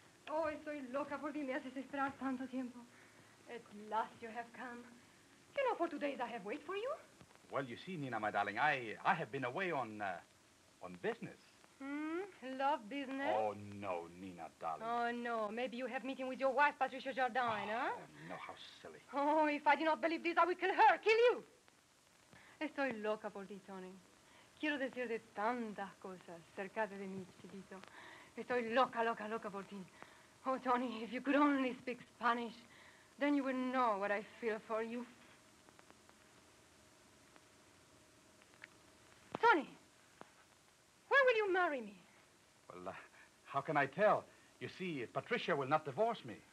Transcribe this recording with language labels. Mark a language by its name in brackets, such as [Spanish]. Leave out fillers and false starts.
[Spanish] Oh, estoy loca por ti, me haces esperar tanto tiempo. [English] At last you have come. You know, for 2 days I have waited for you. Well, you see, Nina, my darling, I have been away on business. Love business? Oh, no, Nina, darling. Oh, no. Maybe you have meeting with your wife, Patricia Jardine, oh, huh? Oh, no, how silly. Oh, if I do not believe this, I will kill her, kill you. [Spanish] Estoy loca por ti, Tony. Quiero decirte tantas cosas cerca de mi chiquito. Estoy loca, loca, loca por ti. [English] Oh, Tony, if you could only speak Spanish, then you would know what I feel for you. Tony, when will you marry me? Well, how can I tell? You see, Patricia will not divorce me.